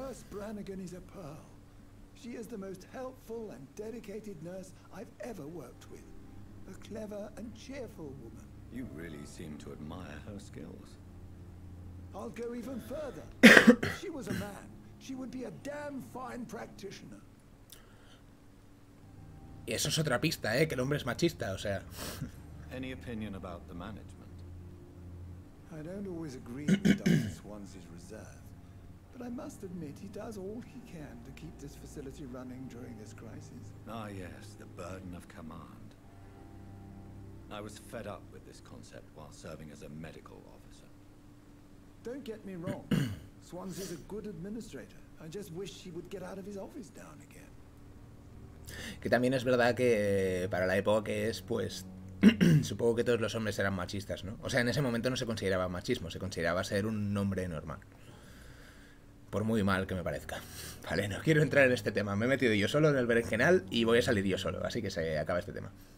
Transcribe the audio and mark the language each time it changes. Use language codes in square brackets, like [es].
[en] Nurse Branigan is a pearl. She is the most helpful and dedicated nurse I've ever worked with. A clever and cheerful woman. You really seem to admire her skills. I'll go even further. If she was a man, she would be a damn fine practitioner. [es] Y eso es otra pista, que el hombre es machista, o sea. [en] Any opinion about the management? I don't always agree with Dr. Swansea's reserve, but I must admit he does all he can to keep this facility running during this crisis. Ah, yes, the burden of command. I was fed up with this concept while serving as a medical officer. Don't get me wrong. Swansea's a good administrator. I just wish he would get out of his office down again. [es] Que también es verdad que para la época que es, pues supongo que todos los hombres eran machistas, ¿no? O sea, en ese momento no se consideraba machismo, se consideraba ser un hombre normal. Por muy mal que me parezca. Vale, no quiero entrar en este tema. Me he metido yo solo en el berenjenal y voy a salir yo solo, así que se acaba este tema.